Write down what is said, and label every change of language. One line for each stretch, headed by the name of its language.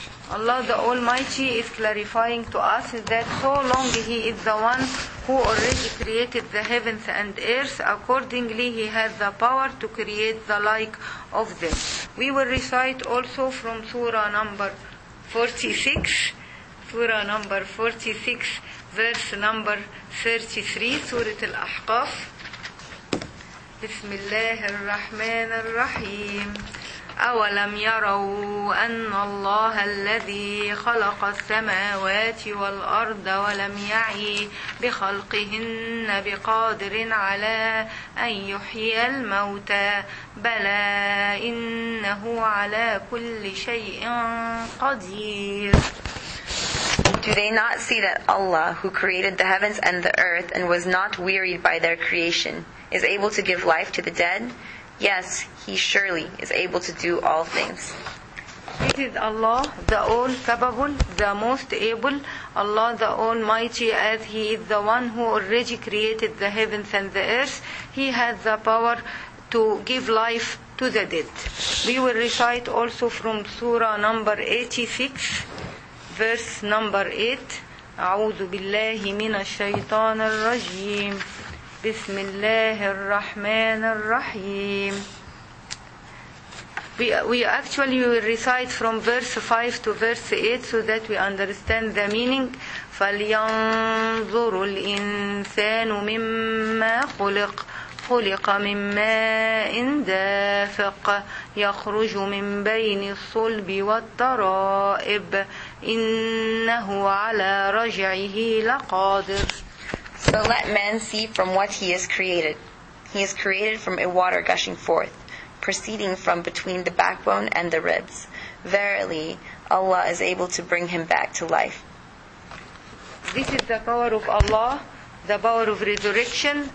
English: Allah the Almighty is clarifying to us that so long he is the one who already created the heavens and earth, accordingly he has the power to create the like of them. We will recite also from Surah number 46, Surah number 46, verse number 33, Surah Al-Ahqaf.
Arabic: بسم الله الرحمن الرحيم أولم يروا أن الله الذي خلق السماوات والأرض ولم يعي بخلقهن بقادر على أن يحيي الموتى بلى إنه على كل شيء قدير.
English: Do they not see that Allah, who created the heavens and the earth and was not wearied by their creation, is able to give life to the dead? Yes, He surely is able to do all things. It is Allah, the All Capable, the Most Able, Allah the Almighty, as He is the one who already created the heavens and the earth, He has the power to give life to the dead. We will recite also from Surah number 86, verse number 8.
Arabic: أعوذ بالله من الشيطان الرجيم. بسم الله الرحمن الرحيم.
English: We actually will recite from verse 5 to verse 8 so that we understand the meaning.
Arabic: فَلْيَنْظُرُ الْإِنسَانُ مِمَّا خُلِقْ خلق من ماء دافق يخرج من بين الصلب والترائب إنه على رجعه لقادر.
English: So let man see from what he is created. He is created from a water gushing forth, proceeding from between the backbone and the ribs. Verily, Allah is able to bring him back to life. This is the power of Allah, the power of resurrection.